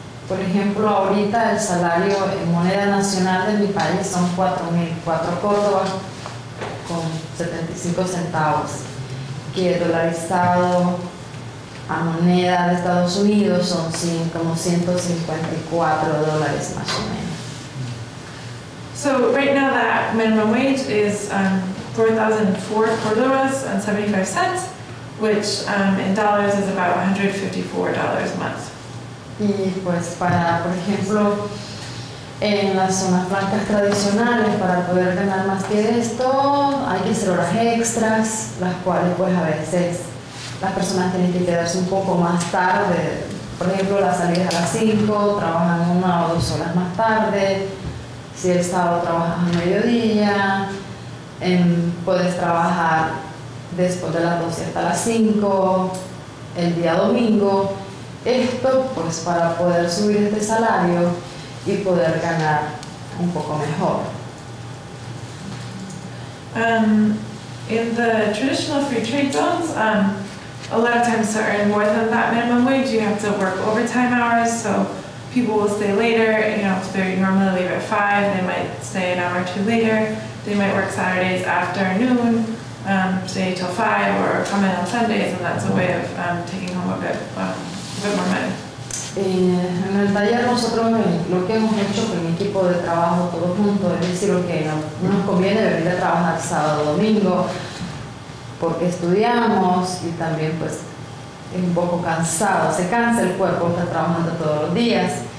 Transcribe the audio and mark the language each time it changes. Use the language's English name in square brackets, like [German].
[Spanish] Por ejemplo, ahorita el salario en moneda nacional de mi país son 4,004 córdobas, 75 centavos, que dolarizado a moneda de Estados Unidos son como $154 más o menos. [English] So right now that minimum wage is $4,004.75, which in dollars is about $154 a month. [Spanish] Y pues para, por ejemplo, en las zonas francas tradicionales, para poder ganar más que esto, hay que hacer horas extras, las cuales pues a veces las personas tienen que quedarse un poco más tarde. Por ejemplo, las salidas a las 5, trabajan una o dos horas más tarde. Si el sábado trabajas a mediodía, puedes trabajar después de las 12 hasta las 5, el día domingo. Esto pues para poder subir este salario y poder ganar un poco mejor. [English] In the traditional free trade zones, a lot of times to earn more than that minimum wage, you have to work overtime hours, so people will stay later. You know, if they normally leave at 5, they might stay an hour or two later. They might work Saturdays after noon, stay till 5, or come in on Sundays, and that's a way of taking home a bit more money. [Spanish] En el taller nosotros lo que hemos hecho con mi equipo de trabajo todos juntos es decir, ok, no nos conviene venir a trabajar sábado, domingo porque estudiamos y también pues es un poco cansado, se cansa el cuerpo estar trabajando todos los días.